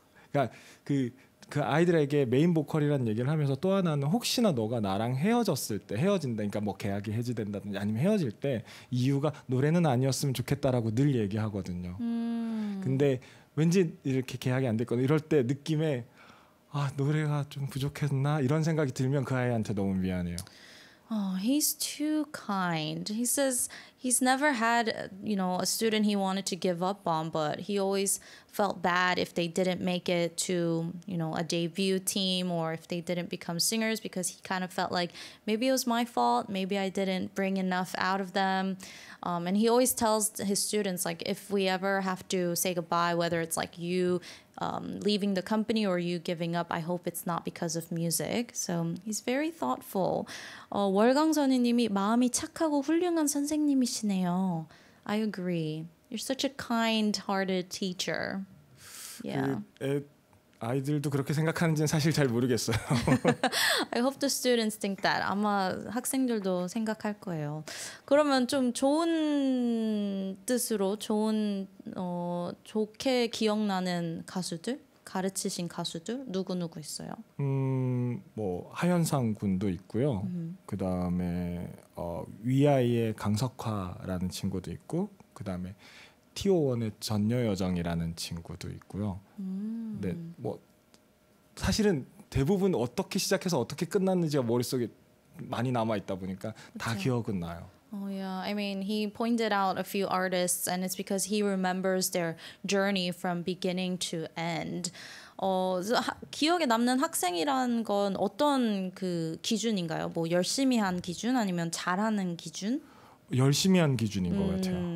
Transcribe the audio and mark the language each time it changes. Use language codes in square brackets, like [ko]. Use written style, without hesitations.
[ko] 그러니까 그 아이들에게 메인 보컬이라는 얘기를 하면서 또 하나는 혹시나 너가 나랑 헤어졌을 때 헤어진다 그러니까 뭐 계약이 해지된다든지 아니면 헤어질 때 이유가 노래는 아니었으면 좋겠다라고 늘 얘기하거든요. 근데 왠지 이렇게 계약이 안 됐거나 이럴 때 느낌에 아 노래가 좀 부족했나 이런 생각이 들면 그 아이한테 너무 미안해요. [en] Oh, he's too kind. He says he's never had, you know, a student he wanted to give up on, but he always felt bad if they didn't make it to, you know, a debut team or if they didn't become singers because he kind of felt like maybe it was my fault, maybe I didn't bring enough out of them. And he always tells his students, like, if we ever have to say goodbye, whether it's like you leaving the company or you giving up, I hope it's not because of music. So he's very thoughtful. [ko] 월강 선생님이 마음이 착하고 훌륭한 선생님이시네요. [en] I agree. You're such a kind-hearted teacher. Yeah. [ko] 아이들도 그렇게 생각하는지는 사실 잘 모르겠어요. [en] I hope the students think that. [ko] 아마 학생들도 생각할 거예요. 그러면 좀 좋은 뜻으로 좋은 좋게 기억나는 가수들 가르치신 가수들 누구 누구 있어요? 뭐 하현상 군도 있고요. 그다음에 위아이의 강석화라는 친구도 있고 그다음에 T.O.1의 전여여정이라는 친구도 있고요. 네, 뭐 사실은 대부분 어떻게 시작해서 어떻게 끝났는지가 머릿속에 많이 남아 있다 보니까 그쵸. 다 기억은 나요. [en] Oh yeah, I mean he pointed out a few artists, and it's because he remembers their journey from beginning to end. [ko] 기억에 남는 학생이란 건 어떤 그 기준인가요? 뭐 열심히 한 기준 아니면 잘하는 기준? 열심히 한 기준인 것 같아요.